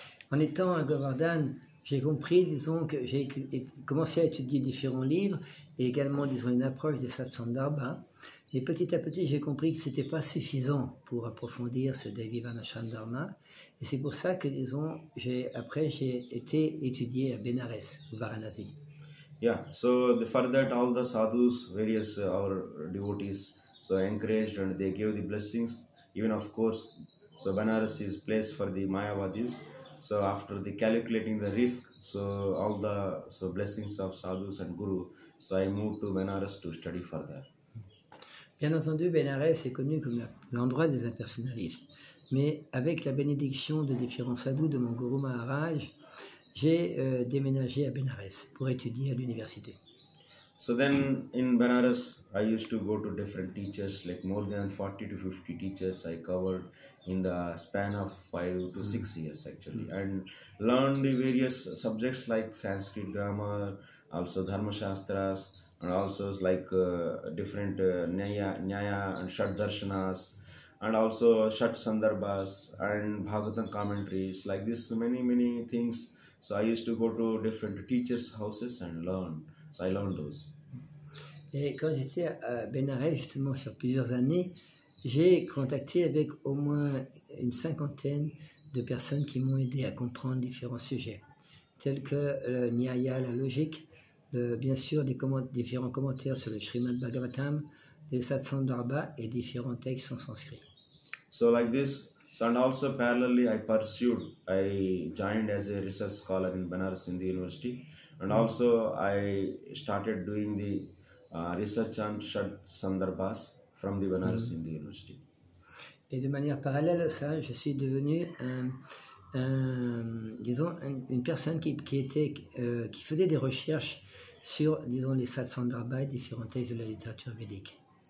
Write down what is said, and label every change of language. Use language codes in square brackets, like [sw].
[fr] En étant à Govardhan, j'ai compris, disons, que j'ai commencé à étudier différents livres et également, disons, une approche des Satsandarbha. Et petit à petit, j'ai compris que ce n'était pas suffisant pour approfondir ce Daivi Vanashram Dharma. Et c'est pour ça que, disons, j'ai été étudié à Benares, au Varanasi. [en] Yeah, so the, for that all the sadhus, various our devotees, so encouraged and they gave the blessings. Even of course, so Benares is place for the Mayavadis. So after the calculating the risk, so all the so blessings of sadhus and guru, so I moved to Benares to study further. [fr] Bien entendu, Benares est connu comme l'endroit des impersonnalistes. Mais avec la bénédiction de différents sadhus de mon guru Maharaj, j'ai déménagé à Benares pour étudier à l'université. [en] So then in Benares, I used to go to different teachers, like more than 40 to 50 teachers I covered in the span of 5 to 6 years actually. And learned the various subjects like Sanskrit grammar, also Dharma Shastras, and also like different Nyaya and Shat Darshanas, and also Shat Sandarbhas and Bhagavatam commentaries, like this many, many things. So I used to go to different teachers' houses and learn. So I learned those. [fr] Et quand j'étais à Benares, justement, sur plusieurs années, j'ai contacté avec au moins une cinquantaine de personnes qui m'ont aidé à comprendre différents sujets, tels que le Nyaya, la logique, bien sûr, des différents commentaires sur le Srimad Bhagavatam, les Satsandarbha et différents textes en sanskrit. [en] So like this, so and also parallelly I pursued, I joined as a research scholar in Benares Hindu University, and also I started doing the research on Shat Sandarbhas from the Benares Hindu University. [fr] Et de manière parallèle à ça, je suis devenu une personne qui faisait des recherches sur, disons, les Satsandarbha et différents textes de la littérature védique.